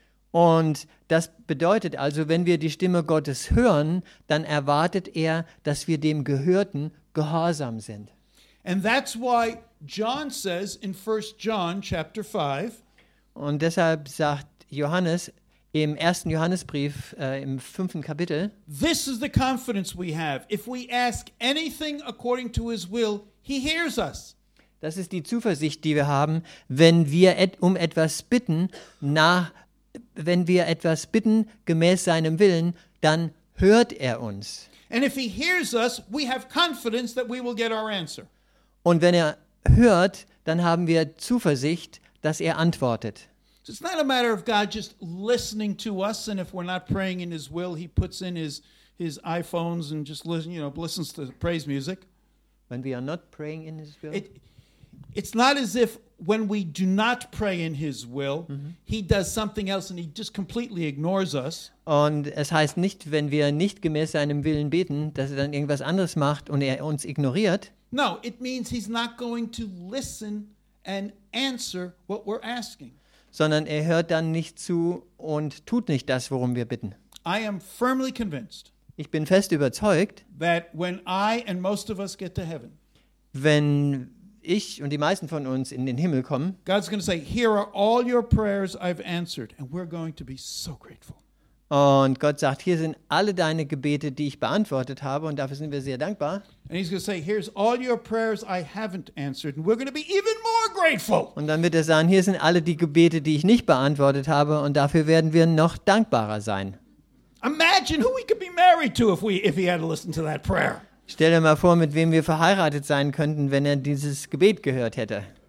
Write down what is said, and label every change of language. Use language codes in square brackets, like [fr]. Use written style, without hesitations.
[de] Und das bedeutet also, wenn wir die Stimme Gottes hören, dann erwartet er, dass wir dem Gehörten gehorsam sind. [en] And that's why John says in 1 John chapter 5. [de] Und deshalb sagt Johannes im ersten Johannesbrief im 5. Kapitel. [en] This is the confidence we have. If we ask anything according to his will, he hears us. [de] Das ist die Zuversicht, die wir haben, wenn wir etwas bitten gemäß seinem Willen, dann hört er uns. [en] And if he hears us, we have confidence that we will get our answer. [de] Und wenn er hört, dann haben wir Zuversicht, dass er antwortet. [en] So it's not a matter of God just listening to us, and if we're not praying in his will, he puts in his iPhones and just listens to praise music. When we are not praying in his will? It's not as if when we do not pray in his will, he does something else and he just completely ignores us. [de] Und es heißt nicht, wenn wir nicht gemäß seinem Willen beten, dass er dann irgendwas anderes macht und er uns ignoriert. [en] No, it means he's not going to listen and answer what we're asking. [de] Sondern er hört dann nicht zu und tut nicht das, worum wir bitten. [en] I am firmly convinced. [de] Ich bin fest überzeugt, [en] that when I and most of us get to heaven, [de] wenn ich und die meisten von uns in den Himmel kommen, [en] God's going to say, "Here are all your prayers I've answered," and we're going to be so grateful. [de] Und Gott sagt, hier sind alle deine Gebete, die ich beantwortet habe, und dafür sind wir sehr dankbar. [en] And he's going to say, "Here's all your prayers I haven't answered," and we're going to be even more grateful. [de] Und dann wird er sagen, hier sind alle die Gebete, die ich nicht beantwortet habe, und dafür werden wir noch dankbarer sein. [en] Imagine who we could be married to if he had to listen to that prayer. [de] Stell dir mal vor, mit wem wir verheiratet sein könnten, wenn er dieses Gebet erhört hätte.